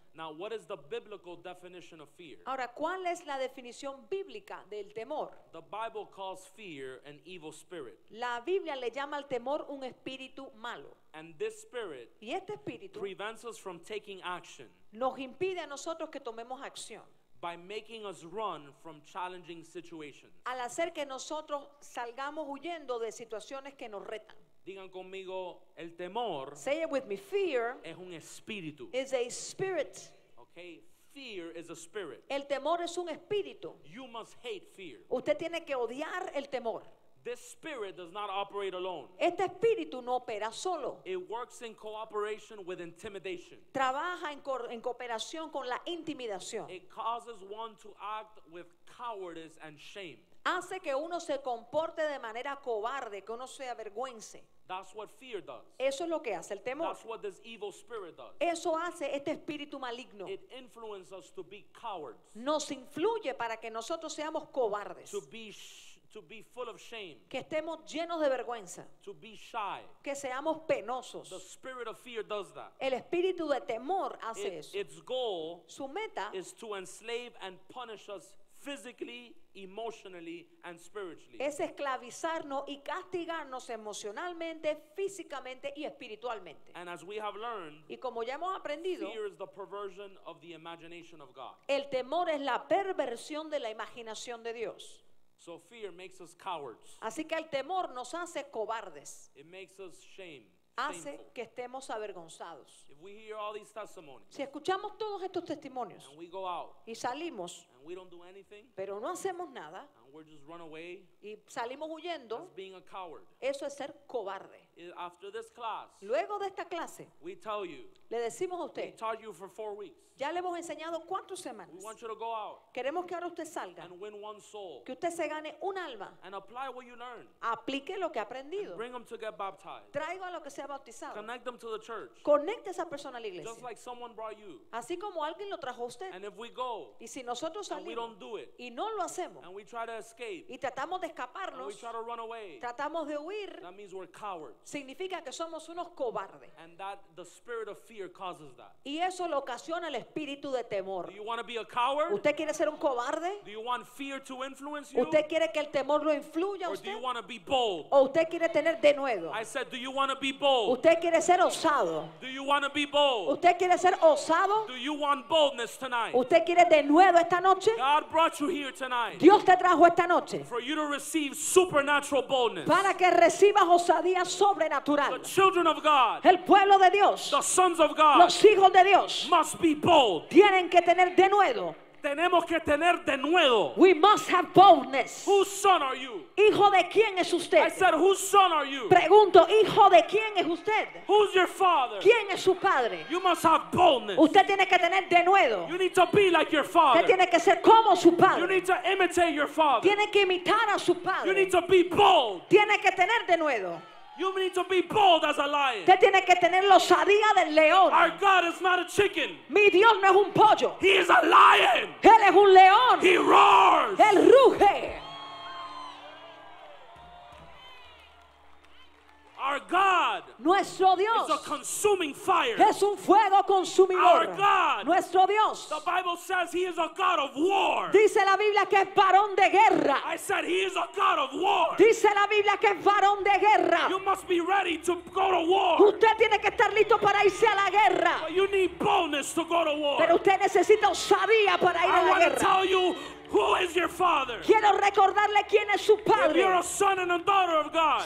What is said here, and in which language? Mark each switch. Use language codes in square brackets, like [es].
[en] Now, what is the biblical definition of fear? [es] Ahora, ¿cuál es la definición bíblica del temor? [en] The Bible calls fear an evil spirit. [es] La Biblia le llama al temor un espíritu malo. [en] And this spirit, [es] y este espíritu, [en] prevents us from taking action. [es] Nos impide a nosotros que tomemos acción. [en] By making us run from challenging situations. [es] Al hacer que nosotros salgamos huyendo de situaciones que nos retan. Digan conmigo, el temor. [en] Say it with me, fear. [es] Es un espíritu. [en] Is a spirit. Okay, fear is a spirit. [es] El temor es un espíritu. [en] You must hate fear. [es] Usted tiene que odiar el temor. [en] This spirit does not operate alone. [es] Este espíritu no opera solo. [en] It works in cooperation with intimidation. [es] Trabaja en cooperación con la intimidación. [en] It causes one to act with cowardice and shame. [es] Hace que uno se comporte de manera cobarde, que uno se avergüence. [en] That's what fear does. [es] Eso es lo que hace el temor. [en] That's what this evil spirit does. [es] Eso hace este espíritu maligno. [en] It influences us to be cowards. [es] Nos influye para que nosotros seamos cobardes. [en] To be full of shame. [es] Que estemos llenos de vergüenza. [en] To be shy. [es] Que seamos penosos. [en] The spirit of fear does that. [es] El espíritu de temor hace eso. [en] Its goal, [es] su meta, [en] is to enslave and punish us physically, emotionally, and spiritually. [es] Es esclavizarnos y castigarnos emocionalmente, físicamente y espiritualmente. [en] And as we have learned, [es] y como ya hemos aprendido, [en] fear is the perversion of the imagination of God. [es] El temor es la perversión de la imaginación de Dios. [en] So fear makes us cowards. [es] Así que el temor nos hace cobardes. [en] It makes us shame. [es] Hace que estemos avergonzados. [en] If we hear all these testimonies, [es] si escuchamos todos estos testimonios, [en] and we go out, [es] y salimos, [en] and we don't do anything, [es] pero no hacemos nada, [en] and we just run away, [es] y salimos huyendo, [en] that's being a coward. [es] Eso es ser cobarde. [en] After this class, [es] luego de esta clase, [en] we tell you, [es] le decimos a usted, [en] we taught you for 4 weeks. [es] Ya le hemos enseñado 4 semanas. [en] We want you to go out, [es] queremos que ahora usted salga, [en] and win one soul, [es] que usted se gane un alma, [en] and apply what you learned, [es] aplique lo que ha aprendido, [en] and bring them to get baptized, [es] traiga a lo que sea bautizado, [en] connect them to the church, [es] conecte a esa persona a la iglesia, [en] just like someone brought you, [es] así como alguien lo trajo a usted. [en] And if we go, [es] y si nosotros salimos, [en] and we don't do it, [es] y no lo hacemos, [en] and we try to escape, [es] y tratamos de escaparnos, [en] and we try to run away, [es] tratamos de huir, [en] that means we're cowards. [es] Significa que somos unos cobardes. [en] And that the spirit of fear causes that. [es] Y eso lo ocasiona el espíritu de temor. [en] Do you want to be a coward? [es] ¿Usted quiere ser un cobarde? [en] Do you want fear to influence you? [es] ¿Usted quiere que el temor lo influya a usted? [en] Or do you want to be bold? [es] ¿O usted quiere tener denuedo? [en] I said, do you want to be bold? [es] ¿Usted quiere ser osado? [en] Do you want to be bold? [es] ¿Usted quiere ser osado? [en] Do you want boldness tonight? [es] ¿Usted quiere denuedo esta noche? [en] God brought you here tonight. [es] Dios te trajo esta noche. [en] For you to receive supernatural boldness. [es] Para que recibas osadía sobre natural. [en] The children of God, [es] el pueblo de Dios, [en] the sons of God, [es] los hijos de Dios, [en] must be bold. [es] Tienen que tener de nuevo. Tenemos que tener de nuevo. [en] We must have boldness. Whose son are you? [es] ¿Hijo de quién es usted? [en] I said, whose son are you? [es] Pregunto, ¿hijo de quién es usted? [en] Who's your father? [es] ¿Quién es su padre? [en] You must have boldness. [es] Usted tiene que tener de nuevo. [en] You need to be like your father. [es] Usted tiene que ser como su padre. [en] You need to imitate your father. [es] Tiene que imitar a su padre. [en] You need to be bold. [es] Tiene que tener de nuevo. [en] You need to be bold as a lion. [es] Usted tiene que tener la osadía del león. [en] Our God is not a chicken. [es] Mi Dios no es un pollo. [en] He is a lion. [es] Él es un león. [en] He roars. [es] Él ruge. [en] Our God, [es] nuestro Dios, [en] is a consuming fire. [es] Es un fuego consumidor. [en] Our God, [es] nuestro Dios, [en] the Bible says he is a God of war. [es] Dice la Biblia que es varón de guerra. [en] I said he is a God of war. [es] Dice la Biblia que es varón de guerra. [en] You must be ready to go to war. [es] Usted tiene que estar listo para irse a la guerra. [en] But you need boldness to go to war. [es] Pero usted necesita osadía para ir [en] I [es] a la guerra. [en] I want to tell you. Who is your father? [es] Quiero recordarle quién es su padre. [en] If you're a son and a daughter of God,